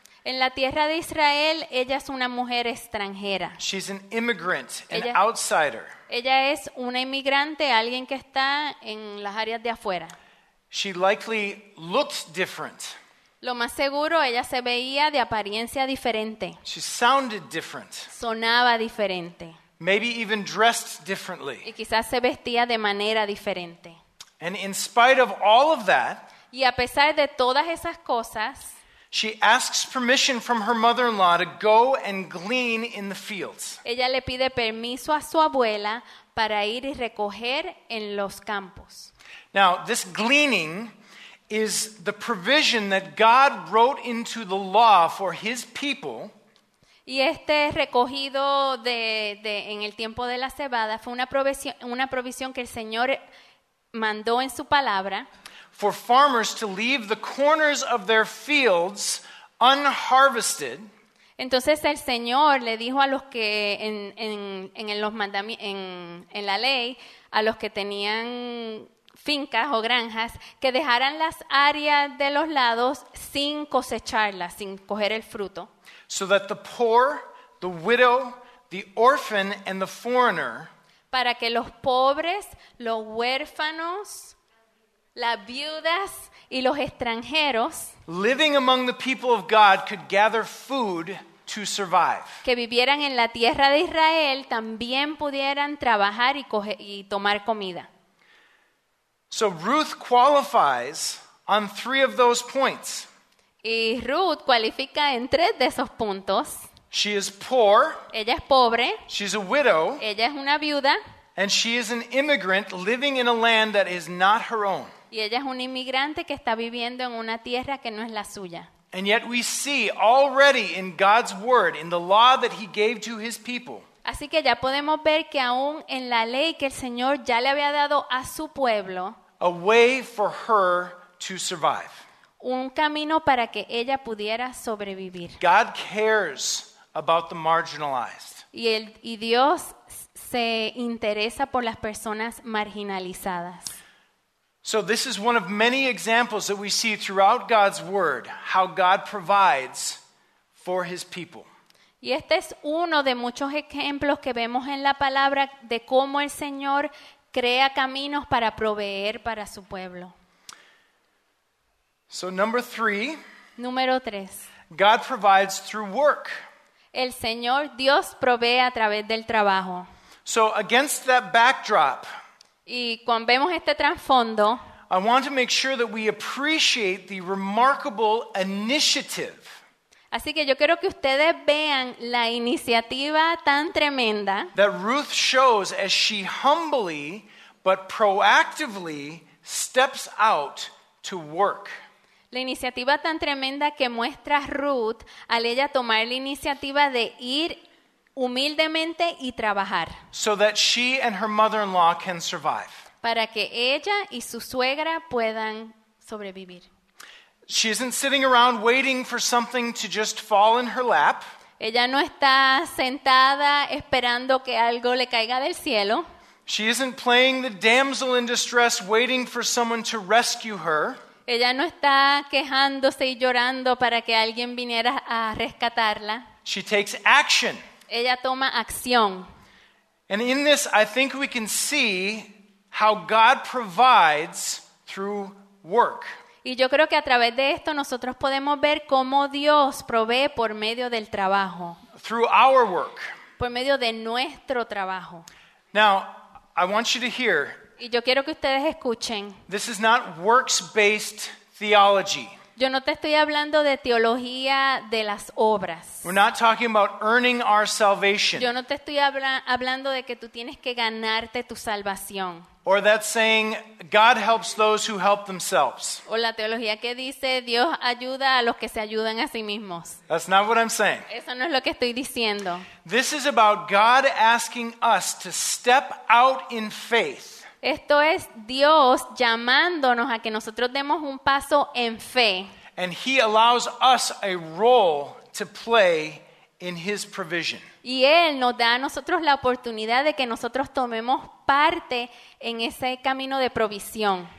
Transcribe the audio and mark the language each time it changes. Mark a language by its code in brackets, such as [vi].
[es] En la tierra de Israel, ella es una mujer extranjera. [en] She's an immigrant, an outsider. [es] Ella es una inmigrante, alguien que está en las áreas de afuera. [en] She likely looked different. [es] Lo más seguro, ella se veía de apariencia diferente. [en] She sounded different. [es] Sonaba diferente. [en] Maybe even dressed differently. [es] Y quizás se vestía de manera diferente. [en] And in spite of all of that, [es] y a pesar de todas esas cosas, [en] she asks permission from her mother-in-law to go and glean in the fields. [es] Ella le pide permiso a su abuela para ir y recoger en los campos. [en] Now, this gleaning is the provision that God wrote into the law for His people. [es] Y este recogido de en el tiempo de la cebada fue una provisión que el Señor mandó en su palabra. [en] For farmers to leave the corners of their fields unharvested. [es] Entonces el Señor le dijo a los que en la ley a los que tenían fincas o granjas, que dejaran las áreas de los lados sin cosecharlas, sin coger el fruto. [en] So that the poor, the widow, the orphan, and the foreigner, [es] para que los pobres, los huérfanos, las viudas y los extranjeros, [en] living among the people of God, could gather food to survive. [es] Que vivieran en la tierra de Israel también pudieran trabajar y tomar comida. [en] So Ruth qualifies on three of those points. [es] Y Ruth cualifica en tres de esos puntos. [en] She is poor. [es] Ella es pobre. [en] She's a widow. [es] Ella es una viuda. [en] And she is an immigrant living in a land that is not her own. [es] Y ella es un inmigrante que está viviendo en una tierra que no es la suya. [en] And yet we see already in God's word, in the law that He gave to His people. [es] Así que ya podemos ver que aún en la ley que el Señor ya le había dado a su pueblo, [en] a way for her to survive. [es] un camino para que ella pudiera sobrevivir. [en] God cares about the marginalized. [es] Y Dios se interesa por las personas marginalizadas. [en] So this is one of many examples that we see throughout God's word how God provides for his people. [es] Y este es uno de muchos ejemplos que vemos en la palabra de cómo el Señor crea caminos para proveer para su pueblo. [en] So number three, [es] número tres. [en] God provides through work. [es] El Señor Dios provee a través del trabajo. [en] So against that backdrop, [es] y cuando vemos este trasfondo, [en] I want to make sure that we appreciate the remarkable initiative. [es] Así que yo quiero que ustedes vean la iniciativa tan tremenda [en] that Ruth shows as she humbly but proactively steps out to work. [es] La iniciativa tan tremenda que muestra Ruth al ella tomar la iniciativa de ir humildemente y trabajar. [en] So that she and her mother-in-law can survive. [es] Para que ella y su suegra puedan sobrevivir. [en] She isn't sitting around waiting for something to just fall in her lap. [es] Ella no está sentada esperando que algo le caiga del cielo. [en] She isn't playing the damsel in distress waiting for someone to rescue her. [es] Ella no está quejándose y llorando para que alguien viniera a rescatarla. [en] She takes action. [es] Ella toma acción. [en] And in this, I think we can see how God provides through work. [es] Y yo creo que a través de esto nosotros podemos ver cómo Dios provee por medio del trabajo. [en] Through our work. [es] Por medio de nuestro trabajo. [en] Now, I want you to hear. [es] Y yo quiero que ustedes escuchen. [en] This is not works-based theology. [es] Yo no te estoy hablando de teología de las obras. [en] We're not talking about earning our salvation. [es] Yo no te estoy hablando de que tú tienes que ganarte tu salvación. [en] Or that saying, God helps those who help themselves. [es] O la teología que dice Dios ayuda a los que se ayudan a sí mismos. [en] That's not what I'm saying. [es] Eso no es lo que estoy diciendo. [en] This is about God asking us to step out in faith. [es] Esto es Dios llamándonos a que nosotros demos un paso en fe. [en] And he allows us a role to play in his provision. [es] Y él nos da a nosotros la oportunidad de que nosotros tomemos parte en ese camino de provisión.